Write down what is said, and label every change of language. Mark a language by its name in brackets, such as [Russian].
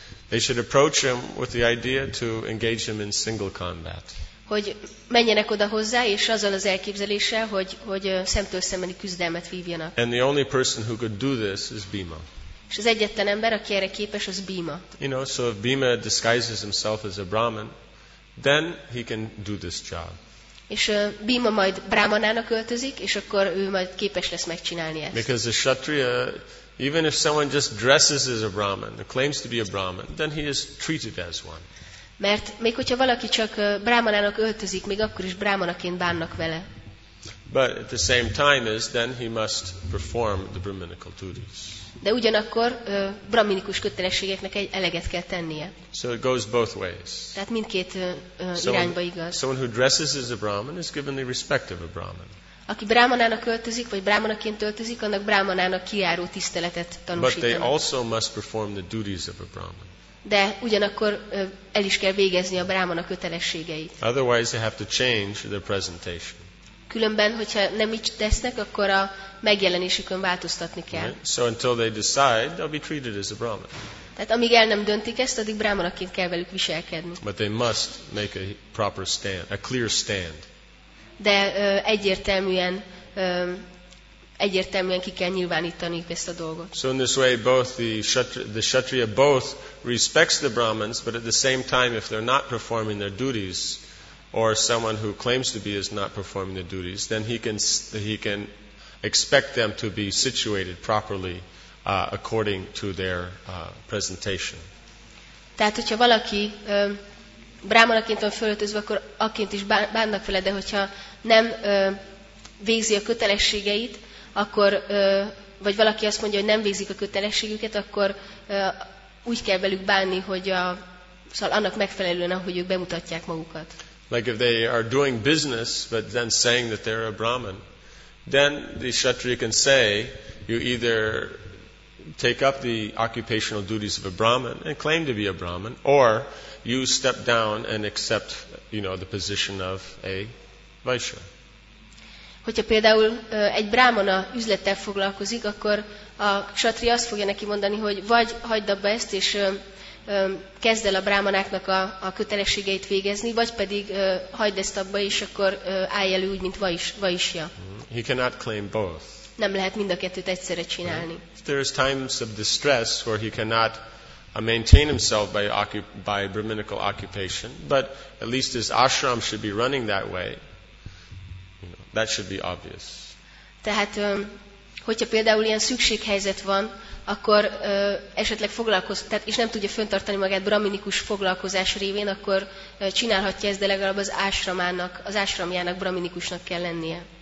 [English] They should approach him with the idea to engage him in single combat. [Hungarian] Hogy menjenek oda hozzá, és azzal az elképzeléssel, hogy szemtől szembeni küzdelmet vívjanak. [English] And the only person who could do this is Bhima. [Hungarian] És az egyetlen ember, aki erre képes, az Bhima. [English] You know, so if Bhima disguises himself as a Brahmin, then he can do this job. [Hungarian] És Bhima majd Brahmanának öltözik, és akkor ő majd képes lesz megcsinálni ezt. [English] Because a kshatriya, even if someone just dresses as a Brahmin, claims to be a Brahmin, then he is treated as one. [Hungarian] Mert még hogyha valaki csak Brahmanának öltözik, még akkor is Brahmanaként bánnak vele. [English] But at the same time is, then he must perform the brahminical duties. [Hungarian] De ugyanakkor brahminikus kötelességeknek egy eleget kell tennie. [English] So it goes both ways. [Hungarian] Tehát mindkét irányba igaz. [English] Someone who dresses as a Brahmin is given the respect of a Brahmin. [Hungarian] Aki brahmanának öltözik, vagy brahmanaként öltözik, annak brahmanának kijáró tiszteletet tanúsítanak. [English] But they also must perform the duties of a Brahmin. [Hungarian] De ugyanakkor el is kell végezni a brahmana kötelességeit. [English] Otherwise they have to change their presentation. [Hungarian] Különben, hogyha nem így tesznek, akkor a megjelenésükön változtatni kell. [English] Right. So until they decide, they'll be treated as a Brahmin. [Hungarian] Tehát amíg el nem döntik ezt, addig brahmanaként kell velük viselkedni. [English] But they must make a proper stand, a clear stand. [Hungarian] De egyértelműen ki kell nyilvánítani ezt a dolgot. [English] So in this way, both the kshatriya both respects the Brahmins, but at the same time, if they're not performing their duties, or someone who claims to be is not performing the duties, then he can expect them to be situated properly according to their presentation. [Hungarian] Tehát, hogyha valaki brámanaként van fölöltözve, akkor akként is bánnak vele, de hogyha nem végzi a kötelességeit, akkor vagy valaki azt mondja, hogy nem végzik a kötelességüket, akkor úgy kell velük bánni, hogy szóval annak megfelelően, ahogy ők bemutatják magukat. [English] Like if they are doing business but then saying that they're a Brahmin, then the kshatriya can say, you either take up the occupational duties of a Brahmin and claim to be a Brahmin, or you step down and accept, you know, the position of a Vaishya. [Hungarian] Hogyha például egy brámana üzlettel foglalkozik, akkor a ksatri azt fogja neki mondani, hogy vagy hagyd abba ezt, és kezd el a brámanáknak a kötelességeit végezni, vagy pedig hagyd ezt abba, és akkor állj elő úgy, mint vaisya. [English] He cannot claim both. [Hungarian] Nem lehet mind a kettőt egyszerre csinálni. [English] Right. There is times of distress where he cannot maintain himself by brahminical occupation, but at least his ashram should be running that way. You know, that should be obvious. [Hungarian] Tehát, hogyha például ilyen szükséghelyzet van, akkor esetleg foglalkozhat, és nem tudja fönntartani magát brahminikus foglalkozás révén, akkor csinálhatja ezt, de legalább az ashramjának brahminikusnak kell lennie.